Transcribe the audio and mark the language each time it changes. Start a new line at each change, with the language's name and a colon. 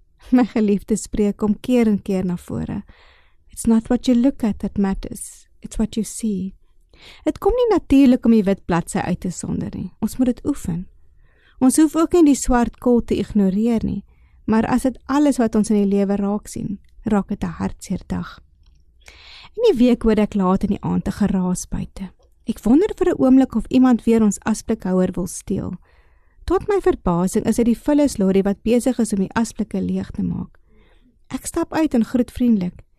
Afrikaans: My geliefde spreek om keer en keer na vore.
English: It's not what you look at that matters, it's what you see.
Afrikaans: Het kom nie natuurlik om die wit bladsy uit te sonder nie. Ons moet dit oefen. Ons hoef ook nie die swart kol te ignoreer nie, maar as dit alles wat ons in die lewe raak sien, raak dit 'n hartseer dag. In die week hoor ek laat in die aand 'n geraas buite. Ek wonder vir 'n oomblik of iemand weer ons asblikhouer wil steel. Tot my verbasing is dit die vullis lorry wat besig is om die asblikke leeg te maak. Ek stap uit en groet vriendelik.